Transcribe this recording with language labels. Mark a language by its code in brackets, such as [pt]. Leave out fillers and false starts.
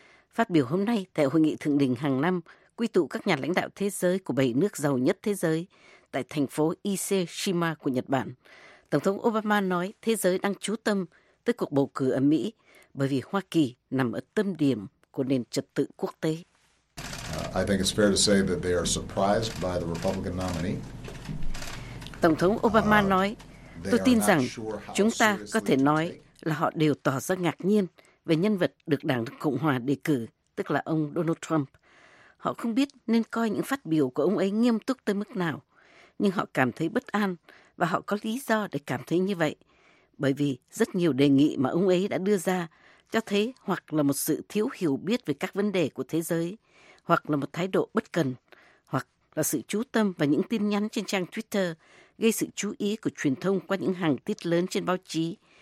[vi] Phát biểu hôm nay tại hội nghị thượng đỉnh hàng năm quy tụ các nhà lãnh đạo thế giới của 7 nước giàu nhất thế giới tại thành phố Ise-shima của Nhật Bản, Tổng thống Obama nói thế giới đang chú tâm tới cuộc bầu cử ở Mỹ bởi vì Hoa Kỳ nằm ở tâm điểm của nền trật tự quốc tế. [en] I think it's fair to say that they are surprised by the Republican nominee. [vi] Tổng thống Obama nói, tôi tin rằng chúng ta có thể nói là họ đều tỏ ra ngạc nhiên về nhân vật được Đảng Cộng Hòa đề cử, tức là ông Donald Trump. Họ không biết nên coi những phát biểu của ông ấy nghiêm túc tới mức nào, nhưng họ cảm thấy bất an và họ có lý do để cảm thấy như vậy, bởi vì rất nhiều đề nghị mà ông ấy đã đưa ra cho thấy hoặc là một sự thiếu hiểu biết về các vấn đề của thế giới, hoặc là một thái độ bất cần, hoặc là sự chú tâm vào những tin nhắn trên trang Twitter gây sự chú ý của truyền thông qua những hàng tiết lớn trên báo chí,